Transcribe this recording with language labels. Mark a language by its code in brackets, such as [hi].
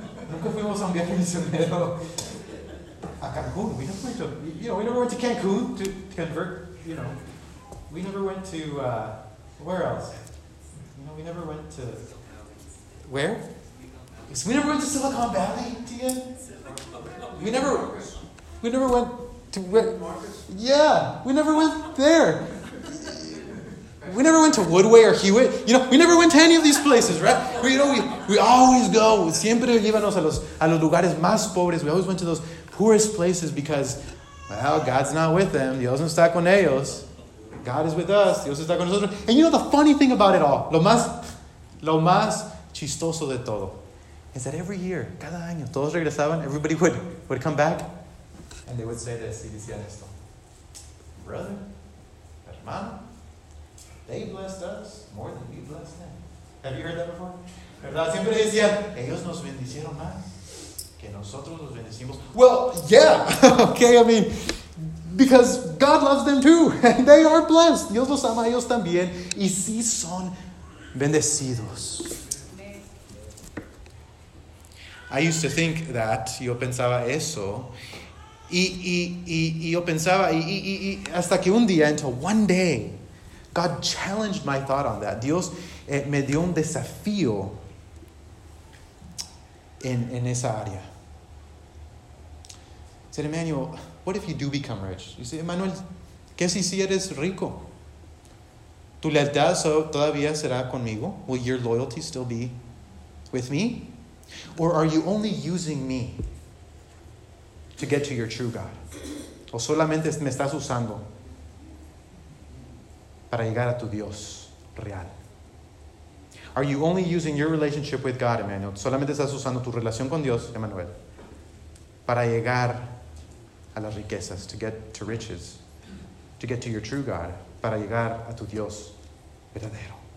[es] Nunca fuimos a un viaje misionero a Cancún. [en] We never went to, you know, we never went to Cancún to convert, you know. We never went to where else? You know, we never went to where? We never went to Silicon Valley, Tien. We never went to where? Yeah, we never went there. We never went to Woodway or Hewitt. You know, we never went to any of these places, right? We, you know, we always go. [es] Siempre llevanos a los lugares más pobres. [en] We always went to those poorest places because, well, God's not with them. [es] Dios no está con ellos. [en] God is with us. [es] Dios está con nosotros. [en] And you know the funny thing about it all, [es] lo más chistoso de todo, [en] is that every year, [es] cada año, todos regresaban, [en] everybody would come back, and they would say this, [es] y decían esto, [en] brother, [es] hermano, [en] they blessed us more than we blessed them. Have you heard that before? [es] ¿Verdad? Siempre decía, ellos nos bendicieron más que nosotros los bendecimos. [en] Well, yeah, okay, I mean, because God loves them too. They are blessed. [es] Dios los ama a ellos también. Y sí son bendecidos. [en] I used to think that. [es] Yo pensaba eso. Hasta que un día, [en] until one day, God challenged my thought on that. [es] Dios me dio un desafío en esa área. [en] He said, Emmanuel, what if you do become rich? You say, [es] Emmanuel, ¿qué si eres rico? ¿Tu lealtad todavía será conmigo? [en] Will your loyalty still be with me? Or are you only using me to get to your true God? [es] ¿O solamente me estás usando para llegar a tu Dios real? [en] Are you only using your relationship with God, Emmanuel? [es] ¿Solamente estás usando tu relación con Dios, Emmanuel, para llegar a las riquezas, to get to riches, to get to your true God, para llegar a tu Dios verdadero?